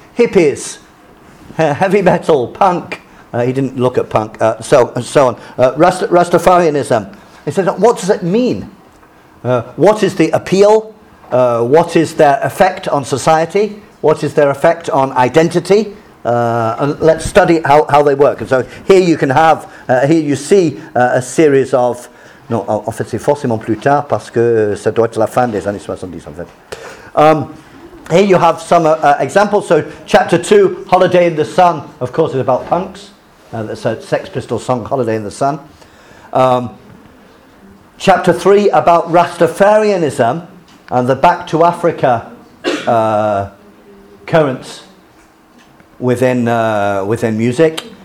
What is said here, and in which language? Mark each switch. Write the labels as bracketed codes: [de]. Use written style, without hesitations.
[en] Hippies, heavy metal, punk... he didn't look at punk, so on. Rastafarianism. He said, what does it mean? What is the appeal? What is their effect on society? What is their effect on identity? And let's study how they work. And so here you can have, here you see a series of, no, [fr] en fait, c'est forcément plus tard, parce que ça doit être la fin des années 70, en fait. [en] Here you have some examples. So chapter 2, Holiday in the Sun, of course, is about punks. That's a Sex Pistols song, Holiday in the Sun. Chapter 3 about Rastafarianism and the Back to Africa currents within music.